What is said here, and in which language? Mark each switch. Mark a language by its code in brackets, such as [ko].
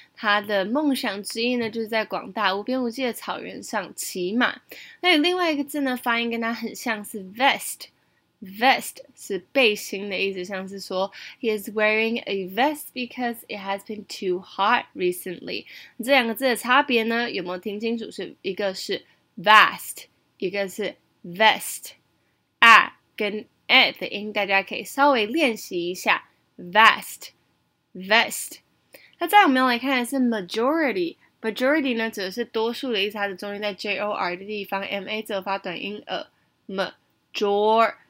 [zh] 她的梦想之一呢就是在广大无边无际的草原上骑马。那有另外一个字呢发音跟它很像是 vest。 [en] Vest [zh] 是背心的意思，像是说 [en] He is wearing a vest because it has been too hot recently. [zh] 这两个字的差别呢，有没有听清楚？是一个是 vast， 一个是 vest。啊，跟 a 的音，大家可以稍微练习一下 vest， vest。那再我们要来看的是 majority。majority 呢，指的是多数的意思，它的重音在 j o r 的地方 ，m a 则发短音 a major。